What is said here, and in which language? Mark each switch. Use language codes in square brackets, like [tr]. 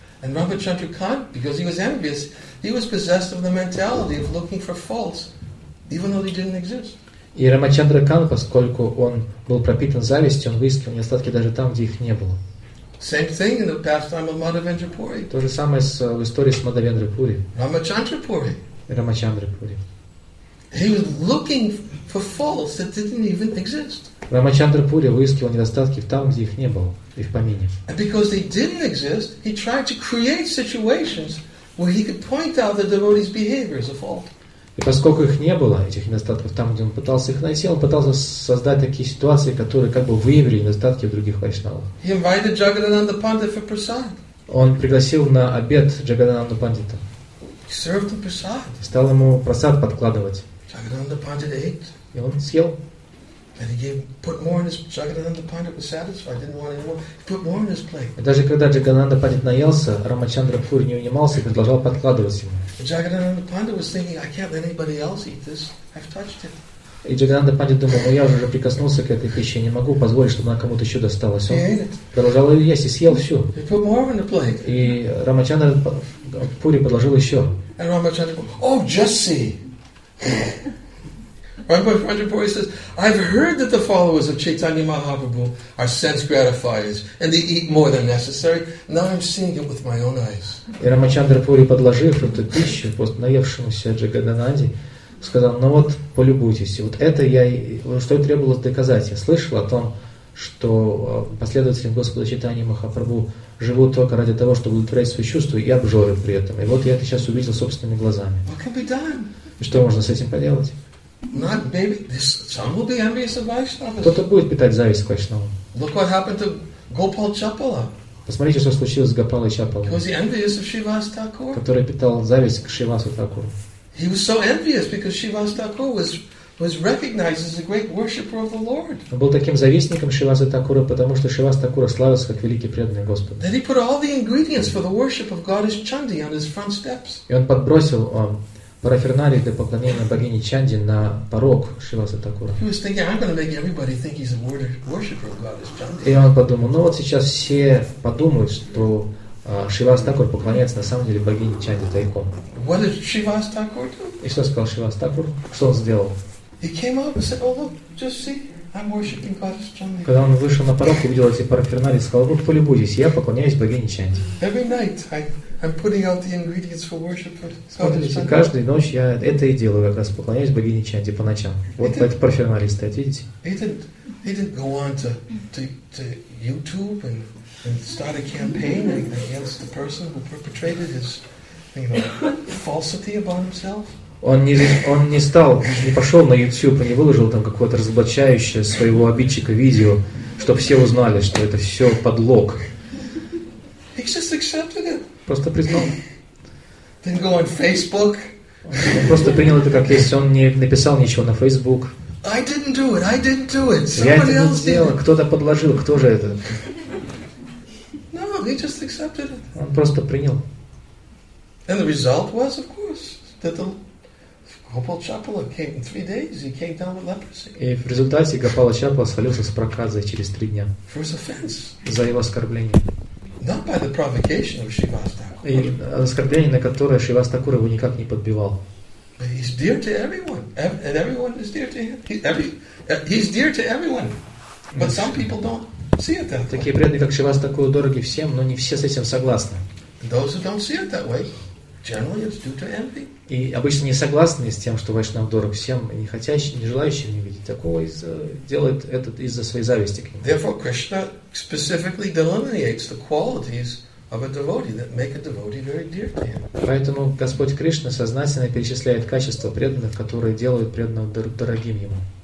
[en] And Ramachandra Khan, because he was envious, he was possessed of the mentality of looking for faults, even though they didn't exist. [ru] И Рамачандра Кан, поскольку он был пропитан завистью, он выискивал недостатки даже там, где их не было. [en] Same thing in the pastime of Madhavendra Puri. [ru] То же самое с в истории с Мадхавендра Пури. Рамачандра Пури. Рамачандра Пури. [en] He was looking for faults that didn't even exist. [ru] Рамачандра Пури выискивал недостатки там, где их не было, и в помине. [en] And because they didn't exist, he tried to create situations where he could point out the devotee's behavior as a fault. [ru] И поскольку их не было, этих недостатков там, где он пытался их найти, он пытался создать такие ситуации, которые как бы выявили недостатки в других вайшнавов. [en] He invited Jagadananda Pandita for prasad. [ru] Он пригласил на обед Джагадананду Пандита. [en] He served the prasad. [ru] И стал ему прасад подкладывать. [en] Jagadananda Pandita ate. [ru] И он съел. [en] And he gave, put more in his plate. Jagadananda Pandita was satisfied. Didn't want any more. He put more in his plate. [ru] И даже когда Джагадананда Пандит наелся, Рамачандра Пури не унимался и продолжал подкладывать ему. [en] Jagadananda Pandita was thinking, I can't let anybody else eat this. I've touched it. [ru] И Джагадананда Пандит думал, ну я уже прикоснулся к этой пище, я не могу позволить, чтобы она кому-то еще досталась. Он продолжал ее есть и съел всю. [en] He put more in the plate. [ru] И Рамачандра Пури подложил еще. [en] And Рамачандра Пури, oh, just see. Rajapuri says, I've heard that the followers of Chaitanya Mahaprabhu are sense gratifiers and they eat more than necessary. Now I'm seeing it with my own eyes. [ru] И Рамачандра Пури, подложив эту пищу после наевшемуся Джагадананде, сказал, ну вот, полюбуйтесь. Вот это я, что и требовалось доказать. Я слышал о том, что последователи Господа Чайтаньи Махапрабху живут только ради того, чтобы удовлетворять свои чувства и обжоры при этом. И вот я это сейчас увидел собственными глазами. [en] What can be done? [ru] И что можно с этим поделать? [en] Not maybe this. Some will be envious of Vaishnavas. [ru] Кто-то будет питать зависть к Вайшнавам. [en] Look what happened to Gopal Chapala. [ru] Посмотрите, что случилось с Гопалой Чапалой. [en] He was envious of Shrivas Thakur. [ru] Который питал зависть к Шривасу Такуру. [en] He was so envious because Shrivas Thakur was recognized as a great worshipper of the Lord. [ru] Он был таким завистником Шривасу Такуру, потому что Шривас Такура славился как великий преданный Господа. [en] Then he put all the ingredients for the worship of Goddess Chandi on his front steps. [ru] И он подбросил параферналии для поклонения богине Чанди на порог Шриваса Такура. И он подумал, ну вот сейчас все подумают, что Шривас Такур поклоняется на самом деле богине Чанди тайком. [en] What did Shrivas Thakur do? [ru] И что сказал Шривас Такур? Что он сделал? [en] He came up and said, oh, look, just see, I'm worshiping Goddess Chandi. [ru] Когда он вышел на порог и увидел эти параферналии, сказал, вот полюбуйтесь, я поклоняюсь богине Чанди. [en] Every night I'm putting out the ingredients for worship. [ru] Смотрите, каждую ночь я это и делаю, как раз поклоняюсь богине Чанди по ночам. Вот эти профессионалисты, стоят, видите? [en] He didn't go on to YouTube and start a campaign against the person who perpetrated his, falsity about himself. [ru] Он не пошел на YouTube и не выложил там какое-то разоблачающее своего обидчика видео, чтобы все узнали, что это все подлог. [en] He just accepted it. [ru] Просто признал. [en] Didn't go on Facebook. [ru] Он просто принял это как есть. Он не написал ничего на Facebook. [en] I didn't do it. I didn't do it. [ru] Я это не сделал. Кто-то подложил. Кто же это? [en] No, he just accepted it. [ru] Он просто принял. [en] And the result was, of course, that the Gopal Chapala came in 3 days. He came down with leprosy. [ru] И в результате Гопала Чапала свалился с проказой через 3 дня. [en] For his offense. [ru] За его оскорбление. [en] Not by the provocation of Shrivas Thakur. [ru] И оскорбление, на которое Шривас Такур его никак не подбивал. [en] He's dear to everyone, and everyone is dear to him. He's dear to everyone, but some people don't see it that way. [ru] Такие преданные, как Шривас Такур, дороги всем, но не все с этим согласны. [en] Those who don't see it that way, generally it's due to envy. [ru] И обычно не согласны с тем, что Вайшнав дорог всем, и не хотящие, не желающие не видеть такого, делают это из-за своей зависти к нему. [en] Therefore, Krishna specifically delineates the qualities of a devotee that make a devotee very dear to him. [ru] Поэтому Господь Кришна сознательно перечисляет качества преданных, которые делают преданного дорогим ему.